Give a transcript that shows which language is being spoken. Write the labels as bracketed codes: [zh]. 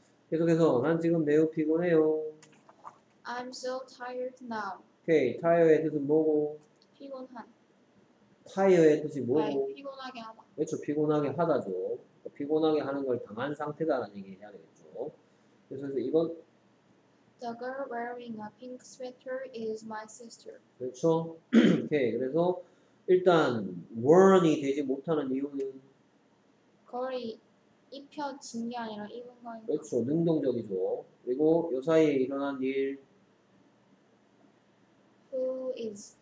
[ko] 계속해서 난 지금 매우 피곤해요. [en] I'm so tired now. [ko] 오케이, tired의 뜻은 뭐고? 피곤한. tired의 뜻이 뭐고? 아니, 피곤하게 하다. 그렇죠, 피곤하게 하다죠. 그러니까 피곤하게 하는 걸 당한 상태다라는 얘기를 해야 되겠죠. 그래서 이번 [en] The girl wearing a pink sweater is my sister. [ko] 그렇죠. 오케이, 그래서 일단 worn이 되지 못하는 이유는 거의 입혀진 게 아니라 입은 거니까. 그렇죠, 능동적이죠. 그리고 요 사이에 일어난 일 [en] Who is?